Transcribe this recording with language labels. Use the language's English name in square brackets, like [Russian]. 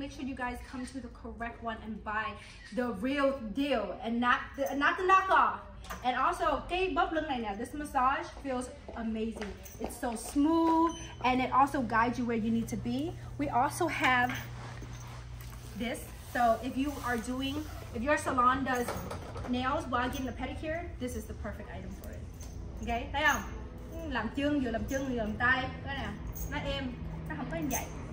[English] Make sure you guys come to the correct one and buy the real deal and not the knockoff. And also, [Vietnamese] cái bắp lưng này nè, [English] this massage feels amazing. It's so smooth and it also guides you where you need to be. We also have this. So if your salon does nails while getting a pedicure, this is the perfect item for it. [Vietnamese] Okay, thấy không? Làm chân, vừa làm chân, vừa làm tay. Cái nè, nó êm, nó không có như vậy.